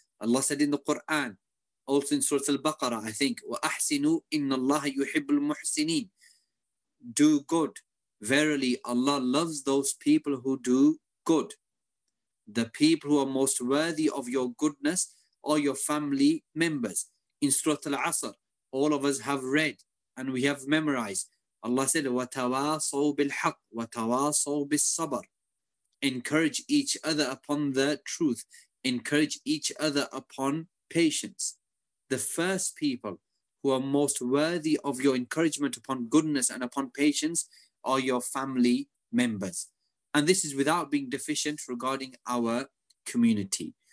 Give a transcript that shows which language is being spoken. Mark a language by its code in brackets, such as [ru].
[en] Allah said in the Quran, also in Surah Al-Baqarah, I think, [ar] وَأَحْسِنُوا إِنَّ اللَّهَ يُحِبُّ الْمُحْسِنِينَ. [en] Do good. Verily, Allah loves those people who do good. The people who are most worthy of your goodness are your family members. In Surah Al-Asr, all of us have read and we have memorized. Allah said, [ar] وَتَوَاصَوْا بِالْحَقِّ وَتَوَاصَوْا بِالصَّبَرِ. [en] Encourage each other upon the truth. Encourage each other upon patience. The first people who are most worthy of your encouragement upon goodness and upon patience are your family members. And this is without being deficient regarding our community.